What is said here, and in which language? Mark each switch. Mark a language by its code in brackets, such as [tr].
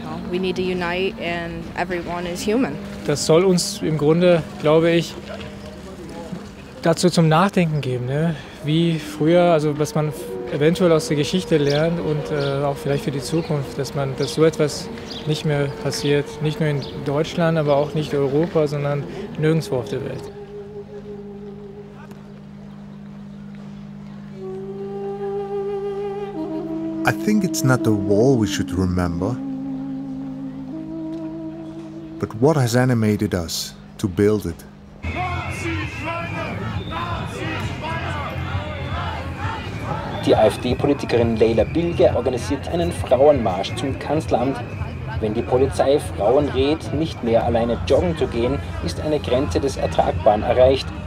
[en] We need to unite and everyone is human. [de] Das soll uns im Grunde, glaube ich, dazu zum Nachdenken geben, ne? Wie früher, also was man eventuell aus der Geschichte lernt und auch vielleicht für die Zukunft, dass so etwas nicht mehr passiert, nicht nur in Deutschland, aber auch nicht in Europa, sondern nirgendwo auf der Welt. [en] I think it's not the wall we should remember, but what has animated us to build it. [de] Die AfD-Politikerin Leila Bilge organisiert einen Frauenmarsch zum Kanzleramt. Wenn die Polizei Frauen rät, nicht mehr alleine joggen zu gehen, ist eine Grenze des Ertragbaren erreicht.